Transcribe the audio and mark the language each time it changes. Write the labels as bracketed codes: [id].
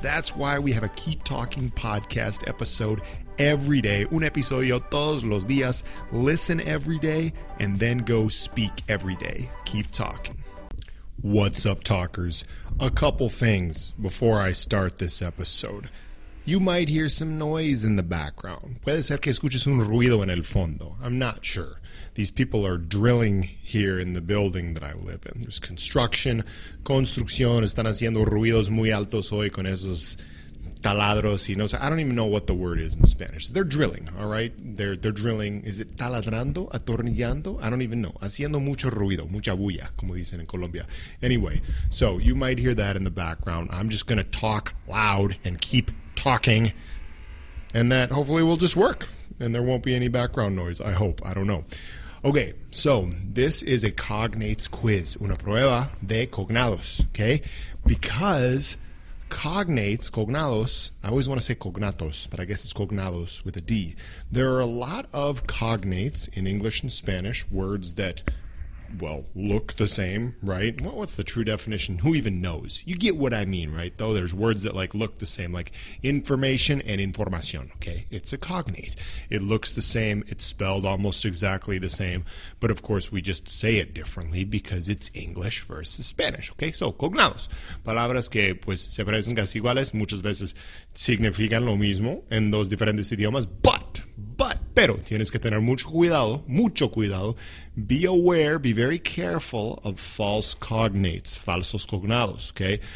[en] That's why we have a Keep Talking Podcast episode every day. [es] Un episodio todos los días. [en] Listen every day and then go speak every day. Keep talking. What's up, talkers? A couple things before I start this episode. You might hear some noise in the background. [es] Puede ser que escuches un ruido en el fondo. [en] I'm not sure. These people are drilling here in the building that I live in. There's construction. [es] Están haciendo ruidos muy altos hoy con esos taladros. Y no, [en] I don't even know what the word is in Spanish. They're drilling, all right? They're drilling. Is it taladrando? Atornillando? I don't even know. [es] Haciendo mucho ruido, mucha bulla, como dicen en Colombia. [en] Anyway, so you might hear that in the background. I'm just going to talk loud and keep talking. And that hopefully will just work. And there won't be any background noise, I hope. I don't know. Okay, so this is a cognates quiz. [es] Una prueba de cognados, [en] okay? Because cognates, cognados, I always want to say cognatos, but I guess it's cognados with a D. There are a lot of cognates in English and Spanish, words that, well, look the same, right? Well, what's the true definition? Who even knows? You get what I mean, right? Though there's words that like look the same, like information and información, okay? It's a cognate. It looks the same. It's spelled almost exactly the same. But of course, we just say it differently because it's English versus Spanish, okay? So, cognados. [es] Palabras que, pues, se parecen casi iguales, muchas veces significan lo mismo en dos diferentes idiomas, pero tienes que tener mucho cuidado, [en] be aware, be very careful of false cognates, [es] falsos cognados, okay?